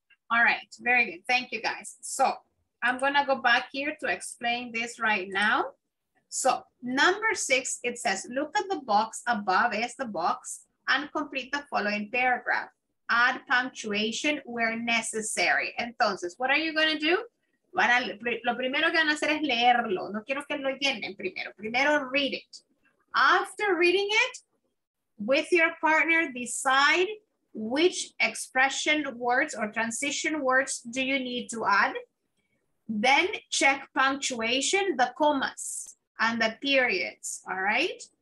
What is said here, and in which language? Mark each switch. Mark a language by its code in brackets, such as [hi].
[en] All right, very good. Thank you, guys. So I'm going to go back here to explain this right now. So number 6, it says, look at the box above is the box and complete the following paragraph. Add punctuation where necessary. Entonces, what are you going to do? [es] Lo primero que van a hacer es leerlo. No quiero que lo llenen primero. Primero, [en] read it. After reading it, with your partner, decide which expression words or transition words do you need to add. Then check punctuation, the commas, and the periods, all right?